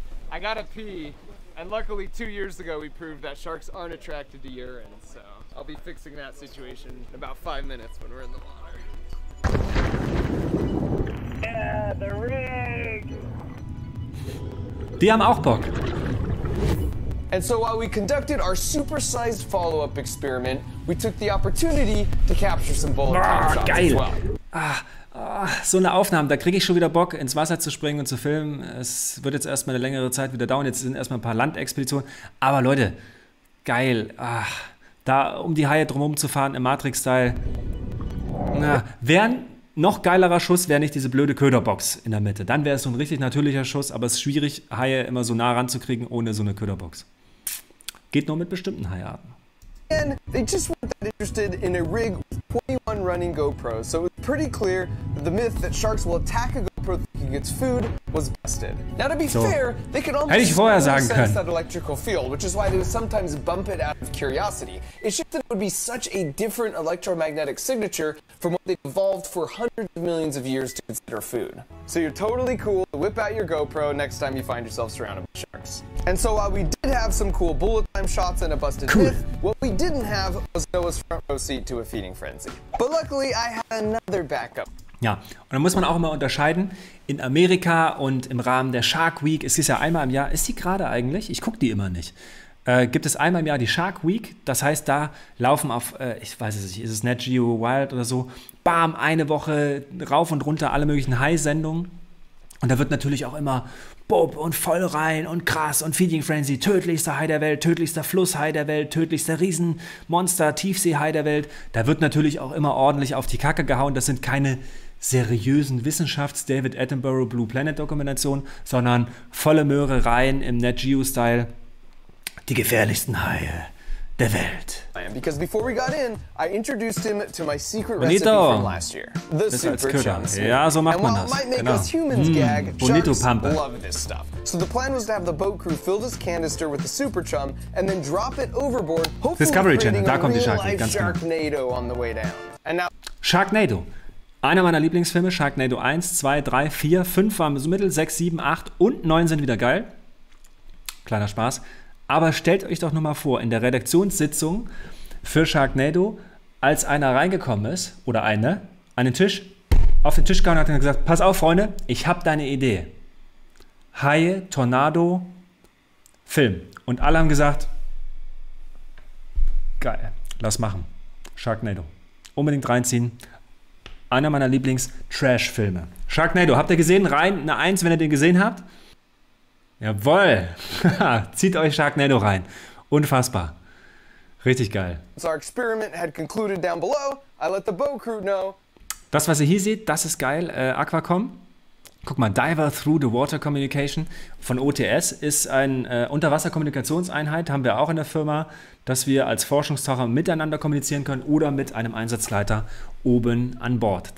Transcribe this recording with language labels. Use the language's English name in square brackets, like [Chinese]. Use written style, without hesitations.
[English] I gotta pee, and luckily 2 years ago we proved that sharks aren't attracted to urine, so I'll be fixing that situation in about 5 minutes when we're in the water. Yeah, the rig. [German] Die haben auch Bock. [English] And so while we conducted our supersized follow-up experiment, we took the opportunity to capture some bullet shots as well. [German] So eine Aufnahme, da kriege ich schon wieder Bock, ins Wasser zu springen und zu filmen. Es wird jetzt erstmal eine längere Zeit wieder dauern. Jetzt sind erstmal ein paar Landexpeditionen. Aber Leute, geil. Da um die Haie drumherum zu fahren im Matrix-Style. Wäre ein noch geilerer Schuss, wäre nicht diese blöde Köderbox in der Mitte. Dann wäre es so ein richtig natürlicher Schuss, aber es ist schwierig, Haie immer so nah ranzukriegen ohne so eine Köderbox. Geht nur mit bestimmten Haiarten. [English] And they just weren't that interested in a rig with 21 running GoPros, so it was pretty clear that the myth that sharks will attack a GoPro thinking it's food was busted. Now to be fair, they could almost [German] sense können. [English] That electrical field, which is why they would sometimes bump it out of curiosity. It's just that it would be such a different electromagnetic signature from what they evolved for hundreds of millions of years to consider food. So you're totally cool to whip out your GoPro next time you find yourself surrounded by sharks. And so while we did have some cool bullet time shots and a busted myth, what we didn't have was Noah's front row seat to a feeding frenzy. But luckily, I had another backup. [German] Ja, und da muss man auch immer unterscheiden, in Amerika und im Rahmen der Shark Week, es ist ja einmal im Jahr, ist die gerade eigentlich? Ich gucke die immer nicht. Gibt es einmal im Jahr die Shark Week, das heißt, da laufen auf, ich weiß es nicht, ist es Nat Geo Wild oder so, bam, eine Woche rauf und runter alle möglichen Hai-Sendungen. Und da wird natürlich auch immer Bob und voll rein und krass und Feeding Frenzy, tödlichster Hai der Welt, tödlichster Flusshai der Welt, tödlichster Riesenmonster, Tiefseehai der Welt. Da wird natürlich auch immer ordentlich auf die Kacke gehauen. Das sind keine seriösen Wissenschafts-David Attenborough Blue Planet-Dokumentationen, sondern volle Möhre rein im Nat Geo-Style. Die gefährlichsten Haie der Welt. [English] Because before we got in, I introduced him to my secret recipe from last year. The super chunks. [German] Ja, so macht man das. [English] And while it might make us humans gag, sharks love this stuff. So the plan was to have the boat crew fill this canister with the super chum and then drop it overboard, hopefully creating a real-life Sharknado on the way down. And now Sharknado. [German] Einer meiner Lieblingsfilme, Sharknado 1, 2, 3, 4, 5 waren so mittel, 6, 7, 8 und 9 sind wieder geil. Kleiner Spaß. Aber stellt euch doch nur mal vor, in der Redaktionssitzung für Sharknado, als einer reingekommen ist, oder eine, an den Tisch, auf den Tisch gegangen hat und gesagt, pass auf, Freunde, ich habe deine Idee. Haie, Tornado, Film. Und alle haben gesagt, geil, lass machen. Sharknado. Unbedingt reinziehen. Einer meiner Lieblings-Trash-Filme. Sharknado, habt ihr gesehen? Rein, eine Eins, wenn ihr den gesehen habt. Jawohl! Zieht euch Sharknado rein. Unfassbar. Richtig geil. [English] So our experiment had concluded down below. I let the boat crew know. [German] Das, was ihr hier seht, das ist geil. Aquacom. Guck mal, Diver Through the Water Communication von OTS ist eine Unterwasserkommunikationseinheit, haben wir auch in der Firma, dass wir als Forschungstaucher miteinander kommunizieren können oder mit einem Einsatzleiter oben an Bord.